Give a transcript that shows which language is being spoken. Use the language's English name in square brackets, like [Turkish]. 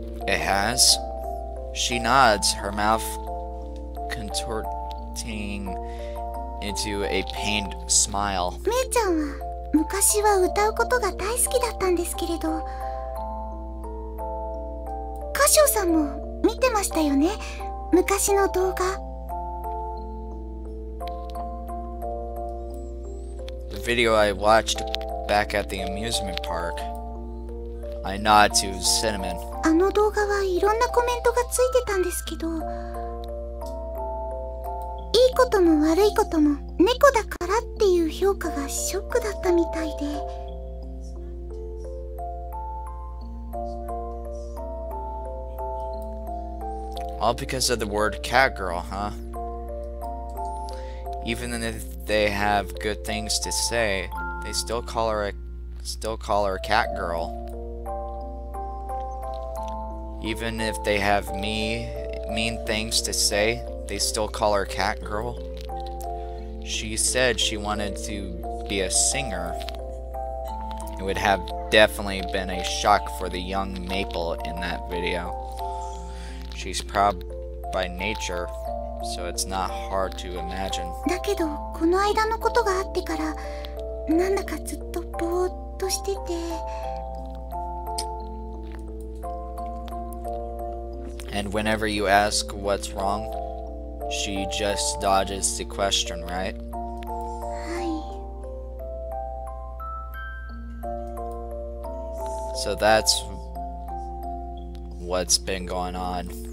[English] It has. She nods, her mouth contorting into a pained smile. [Japanese] めいちゃんは昔は歌うことが大好きだったんですけれど、カショさんも見てましたよね、昔の動画。 [English] The video I watched back at the amusement park. I nod to Cinnamon. [Japanese] あの動画はいろんなコメントがついてたんですけど、いいことも悪いことも猫だからっていう評価がショックだったみたいで。 [English] All because of the word cat girl, huh? Even if they have good things to say, they still call her cat girl. Even if they have mean things to say, they still call her cat girl. She said she wanted to be a singer. It would have definitely been a shock for the young maple in that video. She's proud by nature, so it's not hard to imagine. [Japanese] だけど、この間のことがあってから、なんだかずっとぼーっとしてて。 [English] And whenever you ask what's wrong, she just dodges the question, right? [Japanese] はい。 [English] So that's what's been going on.